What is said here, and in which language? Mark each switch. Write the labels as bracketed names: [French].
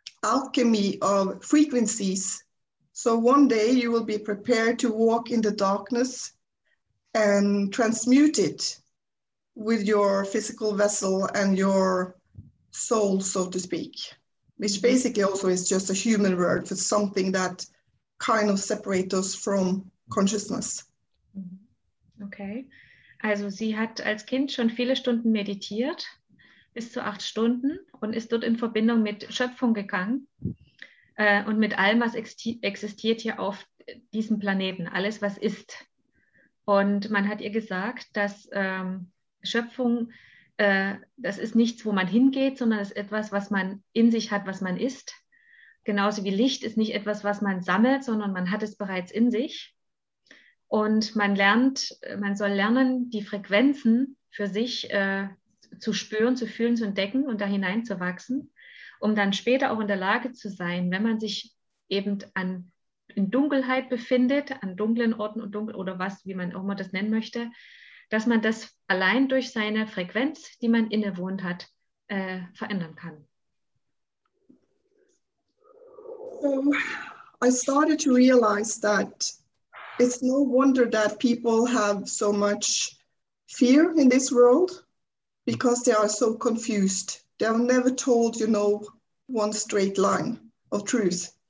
[English] alchemy of frequencies. So one day you will be prepared to walk in the darkness and transmute it with your physical vessel and your soul, so to speak, which basically also is just a human word for something that kind of separates us from consciousness. Okay. [German] Also sie hat als Kind schon viele Stunden meditiert, bis zu 8 Stunden, und ist dort in Verbindung mit Schöpfung gegangen und mit allem, was existiert hier auf diesem Planeten, alles, was ist. Und man hat ihr gesagt, dass Schöpfung, das ist nichts, wo man hingeht, sondern es ist etwas, was man in sich hat, was man ist. Genauso wie Licht ist nicht etwas, was man sammelt, sondern man hat es bereits in sich. Und man lernt, man soll lernen, die Frequenzen für sich zu spüren, zu fühlen, zu entdecken und da hineinzuwachsen, um dann später auch in der Lage zu sein, wenn man sich eben in Dunkelheit befindet, an dunklen Orten und dunkel oder was, wie man auch immer das nennen möchte, dass man das allein durch seine Frequenz, die man innewohnt hat, verändern kann. [English] So, I started to realize that it's no wonder that people have so much fear in this world, because they are so confused. They have never told, you know, one straight line of truth.